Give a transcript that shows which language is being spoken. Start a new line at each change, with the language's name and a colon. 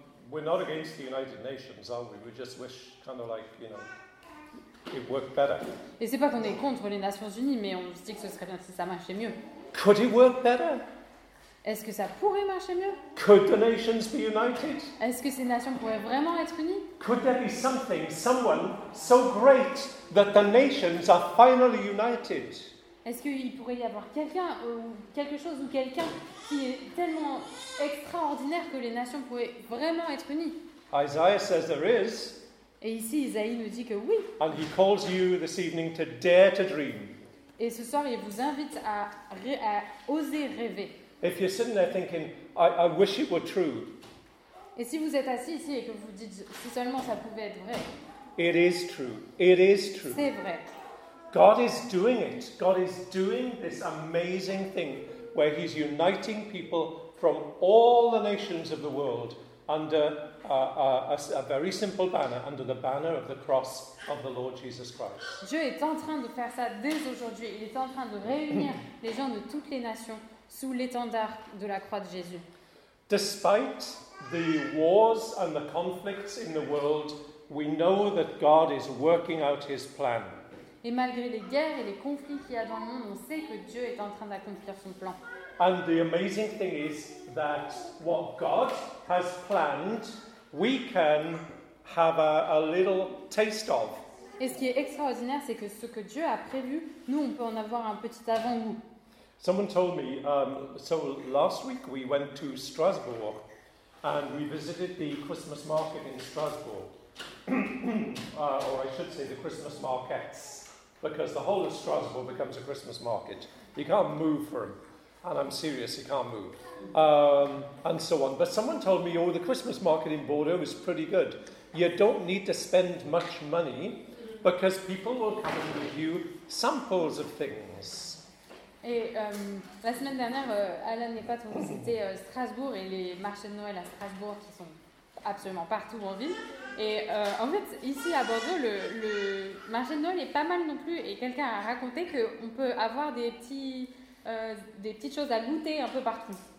English: We're not against the United Nations, are we? We just wish, kind of like, you know, it worked better.
French: Et c'est pas qu'on est contre les Nations Unies, mais on se dit que ce serait bien si ça marchait mieux.
English: Could it work better?
French: Est-ce que ça pourrait marcher mieux?
English: Could the nations be united?
French: Est-ce que ces nations pourraient vraiment être unies?
English: Could there be something, someone so great that the nations are finally united?
French: Est-ce qu'il pourrait y avoir quelqu'un ou quelque chose ou quelqu'un qui est tellement extraordinaire que les nations pourraient vraiment être unies?
English: Isaiah says there is.
French: Et ici, Isaïe nous dit que oui.
English: And he calls you this evening to dare to dream.
French: Et ce soir, il vous invite à oser rêver.
English: If you're sitting there thinking, I wish it were true.
French: Et si vous êtes assis ici et que vous dites si seulement ça pouvait être vrai.
English: It is true. It is true.
French: C'est vrai.
English: God is doing it. God is doing this amazing thing where he's uniting people from all the nations of the world under a very simple banner, under the banner of the cross of the Lord Jesus Christ.
French: Dieu est en train de faire ça dès aujourd'hui. Il est en train de réunir les gens de toutes les nations sous l'étendard de la croix de Jésus.
English: Despite the wars and the conflicts in the world, we know that God is working out his plan.
French: Et malgré les guerres et les conflits qu'il y a dans le monde, on sait que Dieu est en train d'accomplir son plan.
English: And the amazing thing is that what God has planned, we can have a little taste of.
French: Et ce qui est extraordinaire, c'est que ce que Dieu a prévu, nous, on peut en avoir un petit avant-goût.
English: Someone told me, so last week we went to Strasbourg and we visited the Christmas market in Strasbourg. or I should say the Christmas markets, because the whole of Strasbourg becomes a Christmas market. You can't move for them. And I'm serious, you can't move. And so on. But someone told me, oh, the Christmas market in Bordeaux is pretty good. You don't need to spend much money because people will come and give you samples of things.
French: Et la semaine dernière, Alan et Pat ont visité Strasbourg et les marchés de Noël à Strasbourg qui sont absolument partout en ville. Et en fait, ici à Bordeaux, le marché de Noël est pas mal non plus. Et quelqu'un a raconté qu'on peut avoir des petites choses à goûter un peu partout.